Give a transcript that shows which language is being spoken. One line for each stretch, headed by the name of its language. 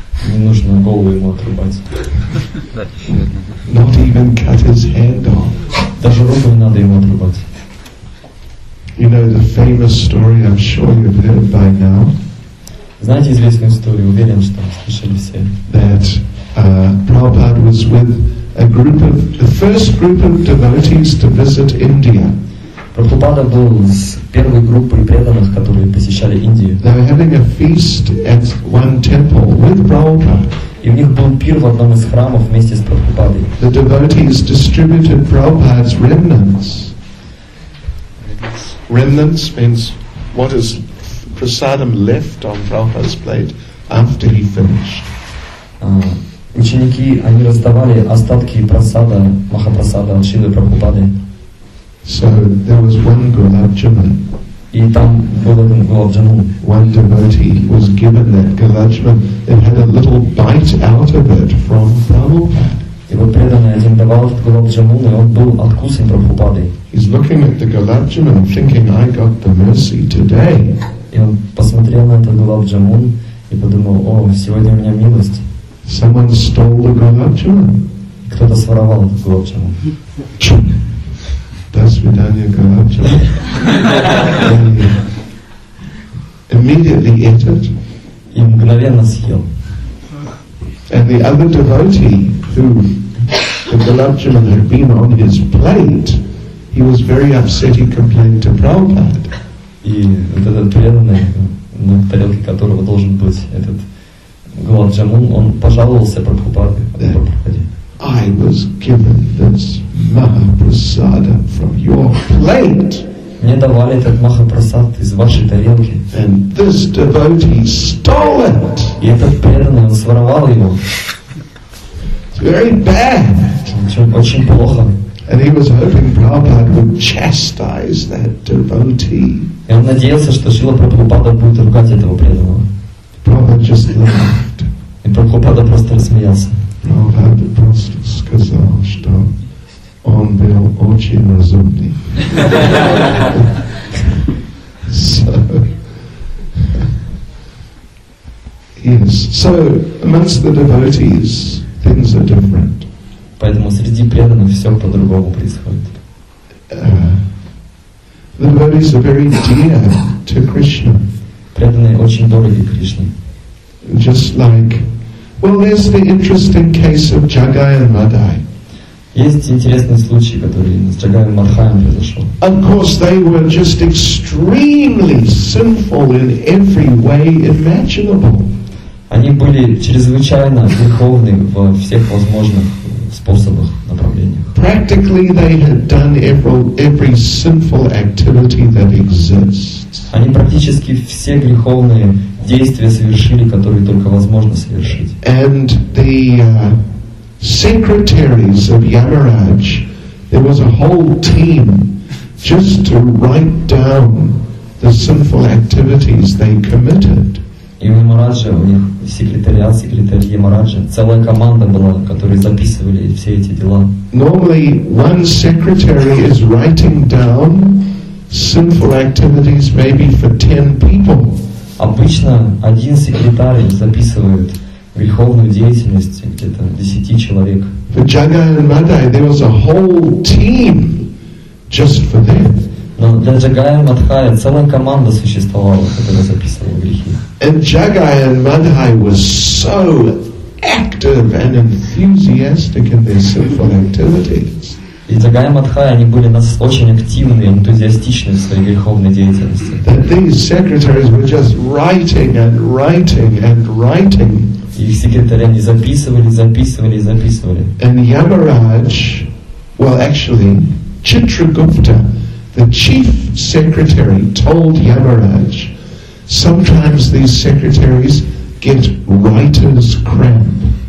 Russian: Не нужно голову ему отрубать.
English: Not even cut his hand off.
Russian: Даже руку не надо ему отрубать.
English: You know the famous story. I'm sure you've heard by now.
Russian: Знаете известную историю? Уверен, что слышали все.
English: That Prabhupada was with a group of the first group of devotees to visit India.
Russian: Прабхупада был с первой группой преданных, которые посещали Индию.
English: They were having a feast at one temple with Prabhupada.
Russian: И у них был пир в одном из храмов вместе с Прабхупадой.
English: The devotees distributed Prabhupada's remnants. Remnants means what is Prasadam left on Prabhupada's plate after he finished.
Russian: Ученики, они раздавали остатки прасада, махапрасада, Шилы Прабхупады.
English: So there was one Gulab Jamun.
Russian: И там был один Gulab Jamun.
English: One devotee was given that Gulab Jamun and had a little bite out of it from Prabhupada.
Russian: Его преданный один давал этот Gulab Jamun, и он был откусом Прабхупады.
English: He's looking at the Gulab Jamun, thinking, I got the mercy today.
Russian: И он посмотрел на этот Gulab Jamun и подумал, о, сегодня у меня милость.
English: Someone stole the Gulab Jamun.
Russian: Кто-то своровал этот Gulab Jamun. До свидания, Gulab Jamun.
English: Immediately ate it.
Russian: И мгновенно съел.
English: And the other devotee, who the Gulab Jamun had been on his plate, he was very upset. He complained to Prabhupada.
Russian: И вот этот преданный, на тарелке которого должен быть этот Gulab Jamun, он пожаловался Прабхупаде.
English: I was given this Mahaprasada from your plate.
Russian: Мне давали этот Махапрасад из вашей тарелки.
English: And this devotee stole it.
Russian: И этот преданный, он своровал его.
English: Very bad.
Russian: Очень плохо.
English: And he was hoping Prabhupada would chastise that devotee.
Russian: И он надеялся, что Шрила Прабхупада будет ругать этого преданного.
English: Prabhupada just laughed.
Russian: И Прабхупада просто рассмеялся. Prabhupada просто сказал, что он был очень разумный.
English: So, yes. So amongst the devotees, things are different.
Russian: Поэтому среди преданных все по-другому происходит.
English: The devotees are very dear to Krishna.
Russian: Преданные очень дороги Кришне.
English: Just like, well, there's the interesting case of Jagai and Madai.
Russian: Есть интересный случай, который с Джагай и Мадхаем произошел.
English: Of course, they were just extremely sinful in every way imaginable.
Russian: Они были чрезвычайно греховны во всех возможных способах, направлениях.
English: Practically they had done every sinful activity that exists.
Russian: Они практически все греховные действия совершили, которые только возможно совершить.
English: And the secretaries of Yamaraj, there was a whole team just to write down the sinful activities they committed.
Russian: И у Ямараджа, у них секретариат, секретарь Ямараджа, целая команда была, которая записывали все эти дела.
English: Normally one secretary is writing down sinful activities maybe for 10 people.
Russian: Обычно один секретарь записывает греховную деятельность где-то 10 человек.
English: For Jagai and Madai, there was a whole team just for them.
Russian: Но для Джагая и Мадхая целая команда существовала, которая записывала грехи.
English: And Jagai and Madhai was so active and enthusiastic in their sinful activities.
Russian: И Джагай и Мадхай, они были очень активны и энтузиастичны в своей греховной деятельности.
English: That these secretaries were just writing and writing and writing.
Russian: И их секретари, они записывали, записывали, записывали.
English: And Yamaraj, well actually, Chitragupta, the chief secretary, told Yamaraj, sometimes these secretaries get writer's cramp.